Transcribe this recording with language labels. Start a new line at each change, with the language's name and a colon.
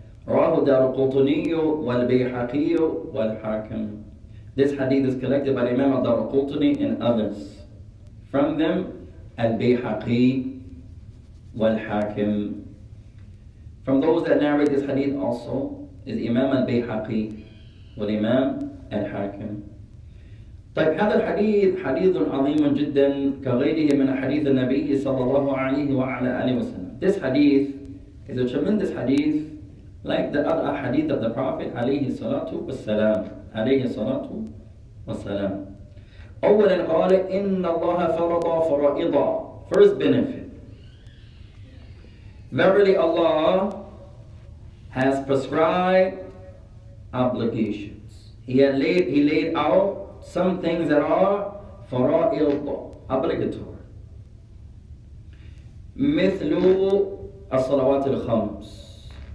Arabic: رَوَهُ دَرْقُطُنِيُّ وَالْبِيْحَقِيُّ وَالْحَاكَمُ
English: This hadith is collected by Imam al-Darqutni and others. From them, al-Bayhaqi wal-Hakim. From those that narrate this hadith also is Imam al-Bayhaqi wal Imam al-Hakim.
Arabic: طيب هذا الحديث حديث عظيم جدا كغيره من حديث النبي صلى الله عليه وعلى آله وسلم.
English: This hadith is a tremendous hadith like the other hadith of the Prophet
Arabic: عليه الصلاة والسلام. عليه الصلاة والسلام. أولا قال إن الله فرض فرائضا.
English: First benefit. Verily Allah has prescribed obligations. He laid out some things that are فرائض obligatory.
Arabic: مثل الصلوات الخمس.